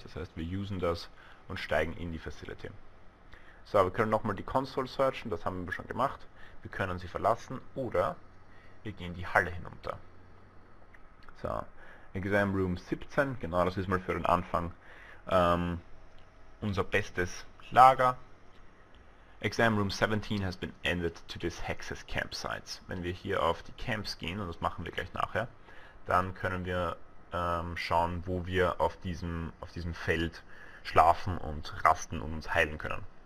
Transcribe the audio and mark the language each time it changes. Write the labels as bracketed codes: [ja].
[de] Das heißt, wir usen das und steigen in die Facility. So, wir können nochmal die Console searchen, das haben wir schon gemacht. Wir können sie verlassen oder wir gehen die Halle hinunter. So, Exam Room 17, genau, das ist mal für den Anfang unser bestes Lager. [en] Exam Room 17 has been added to this Hex's Campsites. [de] Wenn wir hier auf die Camps gehen, und das machen wir gleich nachher, dann können wir schauen, wo wir auf diesem Feld schlafen und rasten und uns heilen können.